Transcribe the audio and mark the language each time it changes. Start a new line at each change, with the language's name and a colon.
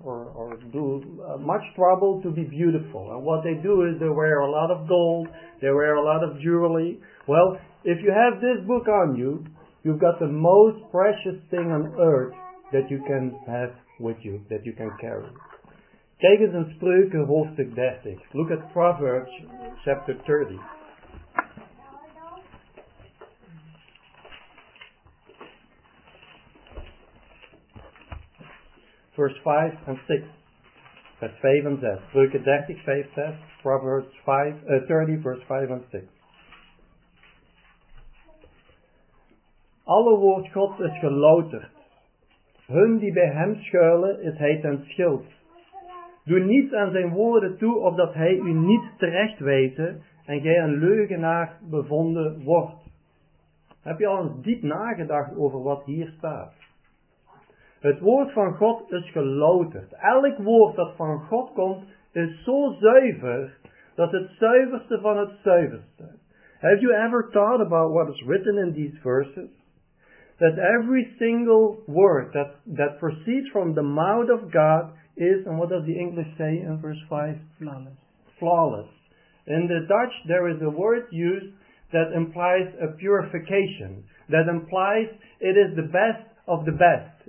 English: or do much trouble to be beautiful. And what they do is they wear a lot of gold, they wear a lot of jewelry. Well, if you have this book on you, you've got the most precious thing on earth that you can have with you, that you can carry.
Dutch: Kijk eens in Spreuken hoofdstuk 30.
English: Look at Proverbs chapter 30. Verse 5 and 6.
Dutch: Vers 5 en 6. Spreuken 30, 5, 6.
English: Proverbs 30, verse 5 and 6.
Dutch: Alle woord God is gelouterd. Hun die bij hem schuilen is hij ten schild. Doe niets aan zijn woorden toe, opdat hij u niet terecht weten en gij een leugenaar bevonden wordt. Heb je al eens diep nagedacht over wat hier staat? Het woord van God is gelouterd. Elk woord dat van God komt is zo zuiver, dat het zuiverste van het zuiverste.
English: Have you ever thought about what is written in these verses? That every single word that proceeds from the mouth of God is, and what does the English say in verse 5? Flawless. Flawless. In the Dutch, there is a word used that implies a purification, that implies it is the best of the best.